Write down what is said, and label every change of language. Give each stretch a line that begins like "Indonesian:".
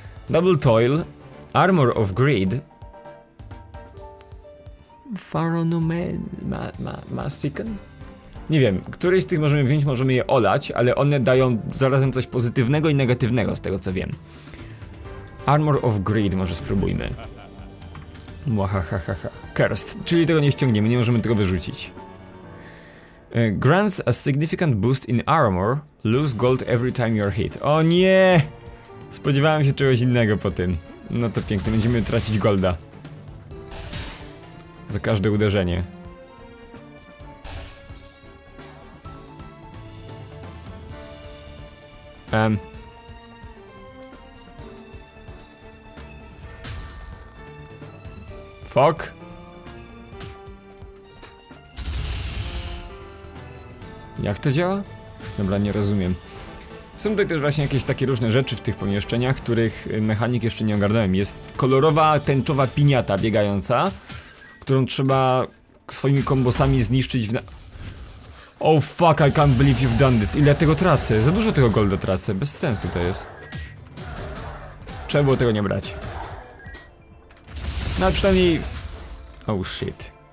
English: Double Toil, Armor of Greed, Faronomen... Masiken?
Polish: Nie wiem, któryś z tych możemy wziąć, możemy je olać, ale one dają zarazem coś pozytywnego i negatywnego, z tego co wiem. Armor of Greed może spróbujmy. Mwahahaha. Cursed, czyli tego nie ściągniemy, nie możemy tego wyrzucić.
English: Grants a significant boost in armor, lose gold every time you're hit.
Polish: O nie! Spodziewałem się czegoś innego po tym. No to pięknie, będziemy tracić golda. Za każde uderzenie.
English: Fok.
Polish: Jak to działa? Dobra, nie rozumiem. Są tutaj też właśnie jakieś takie różne rzeczy w tych pomieszczeniach, których mechanik jeszcze nie ogarnąłem. Jest kolorowa, tęczowa piniata biegająca, którą trzeba swoimi kombosami zniszczyć w...
English: Oh fuck, I can't believe you've done this.
Polish: Ile tego tracę? Za dużo tego golda tracę. Bez sensu to jest. Trzeba było tego nie brać. No ale przynajmniej...
English: Oh shit.